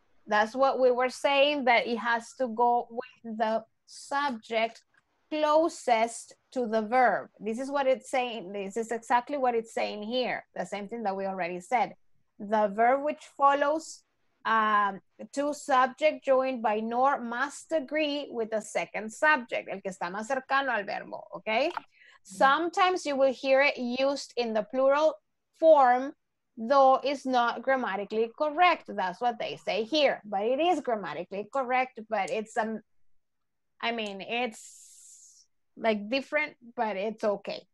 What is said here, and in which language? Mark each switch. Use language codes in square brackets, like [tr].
[en] That's what we were saying, that it has to go with the subject closest to the verb. This is what it's saying. This is exactly what it's saying here. The same thing that we already said. The verb which follows two subject joined by nor must agree with the second subject. [es] El que está más cercano al verbo, okay? [en] Sometimes you will hear it used in the plural form, though it's not grammatically correct. That's what they say here. But it is grammatically correct, but it's, it's like different, but it's okay.